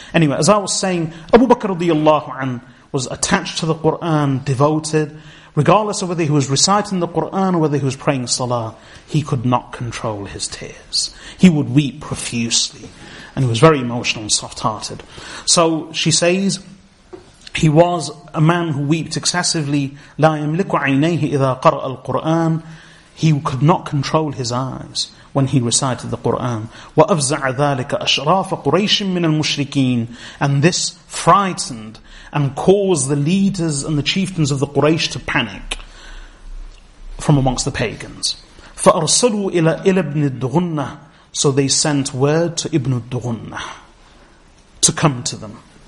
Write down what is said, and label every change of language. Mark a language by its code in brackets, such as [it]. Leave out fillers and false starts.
[en] Anyway, as I was saying, Abu Bakr radiallahu anhu was attached to the Qur'an, devoted. Regardless of whether he was reciting the Qur'an or whether he was praying salah, he could not control his tears. He would weep profusely. And he was very emotional and soft-hearted. So she says, he was a man who wept excessively. [ar] لا يملك عينيه إذا قرأ القرآن. [en] He could not control his eyes when he recited the Qur'an. [ar] وأفزع ذلك أشراف قريش من المشركين. [en] And this frightened and caused the leaders and the chieftains of the Quraysh to panic from amongst the pagans. [ar] فأرسلوا إلى ابن الدغنة. [en] So they sent word to Ibn al-Dughunnah to come to them.